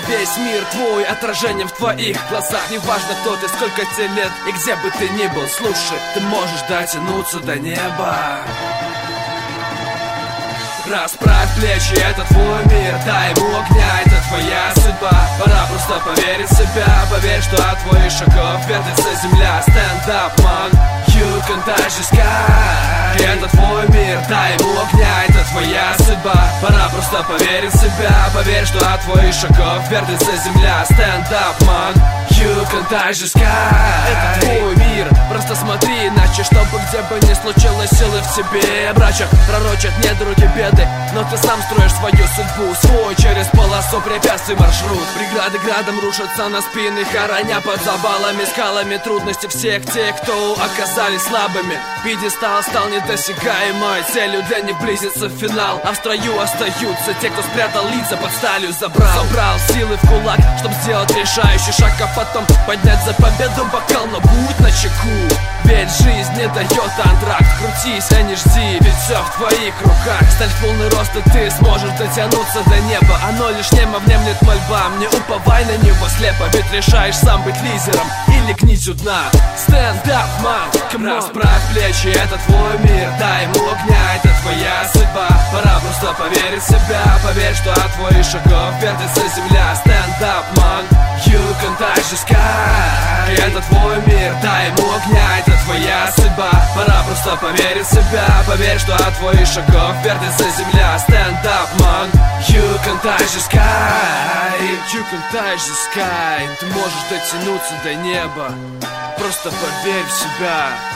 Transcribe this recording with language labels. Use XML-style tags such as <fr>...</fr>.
<ru>Весь мир твой, отражение в твоих глазах. Неважно, кто ты, сколько тебе лет и где бы ты ни был, слушай, ты можешь дотянуться до неба. Расправь плечи, это твой мир, дай ему огня, это твоя судьба. Пора просто поверить в себя, поверь, что от твоих шагов вертится земля.</ru> <en>Stand up, man, you can touch the sky.</en> <ru>Это твой мир, дай ему огня, это твоя судьба. Пора просто поверить в себя, поверь, что от твоих шагов вертится земля.</ru> <en>Stand up, man, you can touch the sky.</en> <ru>Это твой мир, просто смотри иначе. Чтобы где бы ни случилось, силы в тебе брачат. Пророчат недруги беды, но ты сам строишь свою судьбу. Свой через полосу препятствий маршрут. Преграды градом рушатся на спины, хороня под завалами, скалами трудности всех тех, кто оказались слабыми. Пьедестал стал недосягаемой целью, для них близится финал. А в строю остаются те, кто спрятал лица под сталью, забрал. Собрал силы в кулак, чтоб сделать решающий шаг. Потом поднять за победу бокал, но будь начеку. Ведь жизнь не дает антракт. Крутись, а не жди, ведь все в твоих руках. Стать в полный рост, и ты сможешь дотянуться до неба. Оно лишь немо внемлет мольбам. Не уповай на него слепо, ведь решаешь сам быть лидером или князю дна.</ru> <en>Stand up, man, come on.</en> <ru>Расправь плечи, это твой мир, дай ему огня, это твоя судьба. Пора просто поверить в себя, поверь, что от твоих шагов вертится земля.</ru> <en>Stand up, man, you can touch the sky.</en> <ru>Это твой мир, дай ему огня, это твоя судьба. Пора просто поверить в себя, поверь, что от твоих шагов вертится земля.</ru> <en>Stand up, man, you can touch the sky. You can touch the sky.</en> <ru>Ты можешь дотянуться до неба, просто поверь в себя.</ru>